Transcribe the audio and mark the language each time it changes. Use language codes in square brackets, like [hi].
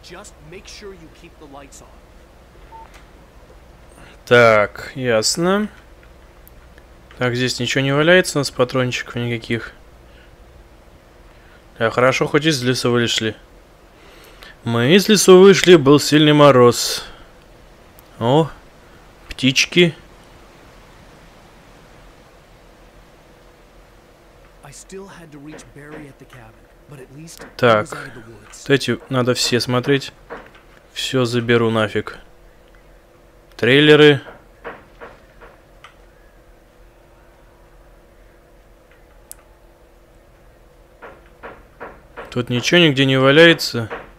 [en] Just make sure you keep the lights on. [ru] Так, ясно. Так, здесь ничего не валяется, у нас патрончиков никаких. Да, хорошо, хоть из леса вышли. Мы из леса вышли, был сильный мороз. О, птички. [en] I still had to reach Barry at the cabin. [ru] Так, вот эти надо все смотреть. Все заберу нафиг. Трейлеры. Тут ничего нигде не валяется.